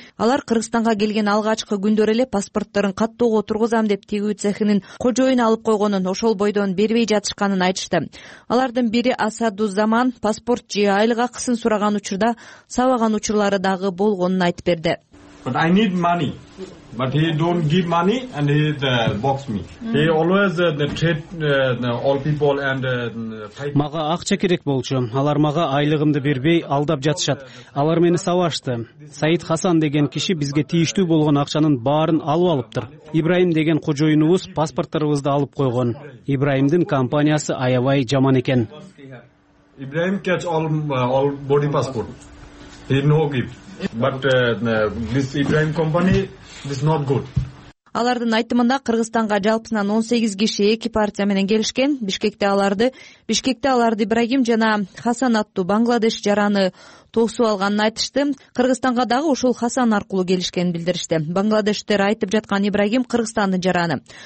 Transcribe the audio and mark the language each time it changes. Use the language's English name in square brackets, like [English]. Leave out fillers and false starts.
[Kyrgyz] Алар Кыргызстанга келген алгачкы күндөр эле паспорттарын каттоого тургузам деп тигүү цехинин кожоюна алып койгонун, ошол бойдон бербей жатышканын айтышты. Алардын бири Асадузаман паспорт же айлык акысын сураган учурда сабаган учурлары дагы болгонун айтып берди. [English] But I need money. But he don't give money and he box me. He always all people and [Kyrgyz] мага акча керек болчу. Алар мага айлыгымды бербей алдап жатышат. Алар мени сабашты. Саид Хасан деген киши бизге тийиштүү болгон акчанын баарын алып алыптыр. Ибраим деген кожоюнубуз паспорттарыбызды алып койгон. Ибраимдин компаниясы аябай жаман экен. [English] Ибраим catch all body passport. He no give. But this Ibrahim company is not good. [Kyrgyz] Алардын айтымында Кыргызстанга жалпысынан 18 киши эки партия менен келишкен. Бишкекте аларды Ибрагим жана Хасан аттуу Бангладеш жараны тосуп алганын айтышты. Кыргызстанга дагы ушул Хасан аркылуу келишкенин билдиришти. Бангладештер айтып жаткан Ибрагим Кыргызстандын жараны.